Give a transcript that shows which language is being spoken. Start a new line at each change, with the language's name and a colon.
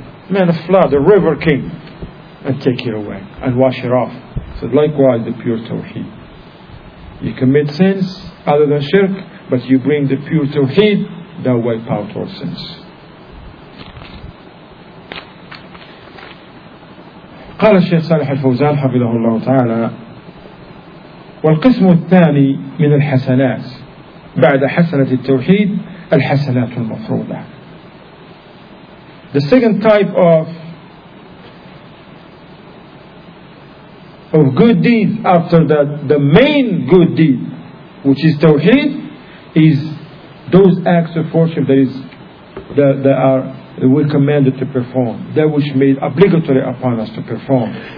English: Man, a flood, a river came and take it away and wash it off. So likewise, the pure tawheed. You commit sins other than shirk, but you bring the pure tawheed, that wipe out all sins.
Arabic: قال الشيخ صالح الفوزان حفظه الله تعالى والقسم الثاني من الحسنات بعد حسنة التوحيد الحسنات المفروضة.
English: The second type of good deed after that, the main good deed, which is tawheed, is those acts of worship that are we commanded to perform, that which made obligatory upon us to perform,